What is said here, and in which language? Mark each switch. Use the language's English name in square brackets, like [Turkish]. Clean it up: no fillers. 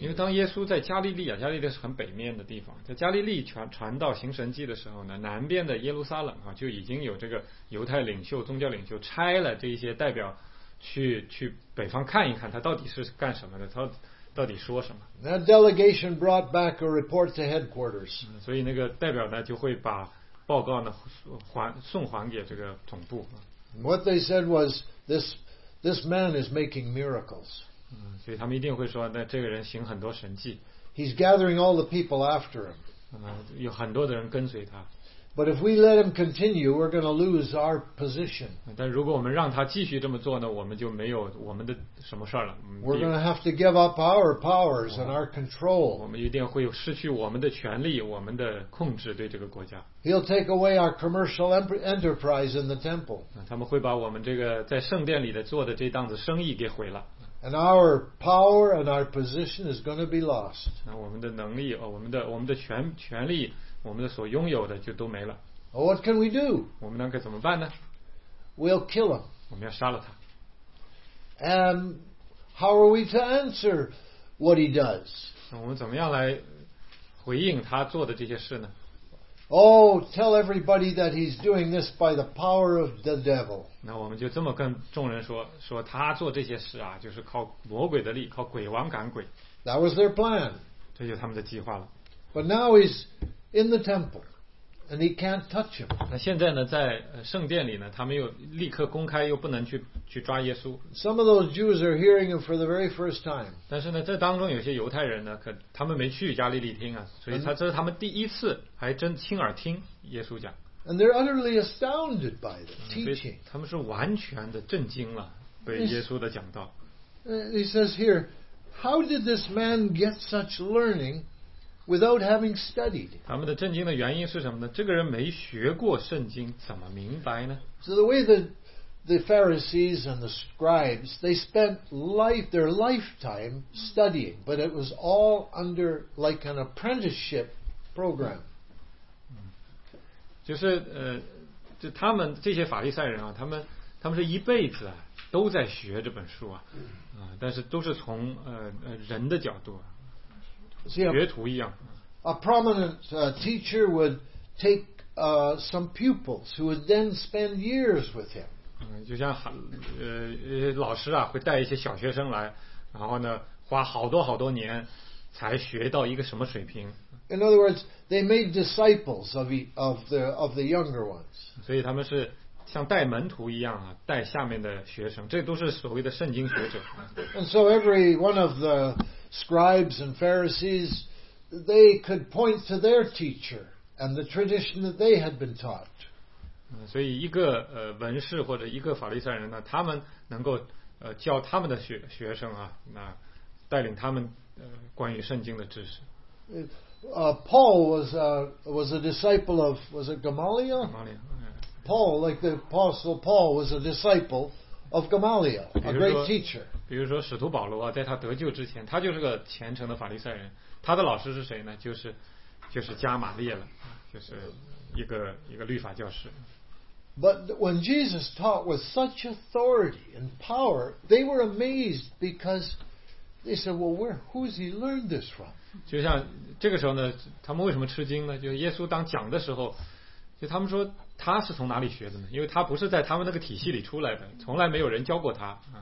[Chinese] 因为当耶稣在加利利啊，加利利是很北面的地方，在加利利传道行神迹的时候呢，南边的耶路撒冷啊，就已经有这个犹太领袖、宗教领袖差了这一些代表去北方看一看，他到底是干什么的，他到底说什么。 [English] That delegation brought back a report to headquarters. [Chinese] 所以那个代表呢，就会把报告呢送还给这个总部。 [English] What they said was this man is making miracles. [Chinese] 所以他们一定会说，那这个人行很多神迹。 [English] He's gathering all the people after him. [Chinese] 有很多的人跟随他。 [English] But if we let him continue, we're going to lose our position. [Chinese] 但如果我们让他继续这么做呢，我们就没有我们的什么事儿了。 [English] We're going to have to give up our powers and our control. [Chinese] 我们一定会失去我们的权力，我们的控制对这个国家。 [English] He'll take away our commercial enterprise in the temple. [Chinese] 他们会把我们这个在圣殿里的做的这档子生意给毁了。 [English] And our power and our position is going to be lost. [Chinese] 那我们的能力，我们的权力。我们所拥有的就都没了。 [English] What can we do? [Chinese] 我们能够怎么办呢？ [English] We'll kill him. [Chinese] 我们要杀了他。 [English] And how are we to answer what he does? [Chinese] 我们怎么样来回应他做的这些事呢？ [English] Oh, tell everybody that he's doing this by the power of the devil. [Chinese] 那我们就这么跟众人说他做这些事啊，就是靠魔鬼的力，靠鬼王赶鬼。 [English] That was their plan. [Chinese] 这就是他们的计划了。 [English] But now he'sIn the temple, and he can't touch him. [Chinese] 那现在呢，在圣殿里呢，他们又立刻公开，又不能去抓耶稣。 [English] Some of those Jews are hearing him for the very first time. [Chinese] 但是呢，这当中有些犹太人呢，他们没去加利利听啊，所以这是他们第一次还真亲耳听耶稣讲。 [English] And they're utterly astounded by the teaching. [Chinese] 他们是完全的震惊了，被耶稣的讲道。 [English] He says here, "How did this man get such learning?" Without having studied, [Chinese] 他们的震惊的原因是什么呢？这个人没学过圣经，怎么明白呢？ [English] So the way the Pharisees and the scribes they spent their lifetime studying, but it was all under like an apprenticeship program. [Chinese] 就是就他们这些法利赛人啊，他们是一辈子啊都在学这本书啊，但是都是从人的角度啊。 [English] See, a prominent teacher would take some pupils who would then spend years with him. [Chinese] 就像老师啊会带一些小学生来，然后呢花好多好多年才学到一个什么水平。 [English] In other words, they made disciples of the younger ones. [Chinese] 所以他们是像带门徒一样啊，带下面的学生，这都是所谓的圣经学者。 [English] And so every one of the Scribes and Pharisees, they could point to their teacher and the tradition that they had been taught. [Chinese] 所以一个文士或者一个法利赛人呢，他们能够教他们的学生啊，那带领他们关于圣经的知识。 [English] Paul was a disciple of was it Gamaliel? Gamaliel. Paul, like the apostle Paul, was a disciple. Of Gamaliel, a great teacher. [Chinese] 比如说使徒保罗啊，在他得救之前，他就是个虔诚的法利赛人。他的老师是谁呢？就是加马列了，就是一个律法教师。 [English] But when Jesus taught with such authority and power, they were amazed because they said, "Well, who's he learned this from?" [Chinese] 就像这个时候呢，他们为什么吃惊呢？就耶稣当讲的时候，就他们说。他是从哪里学的呢？因为他不是在他们那个体系里出来的，从来没有人教过他。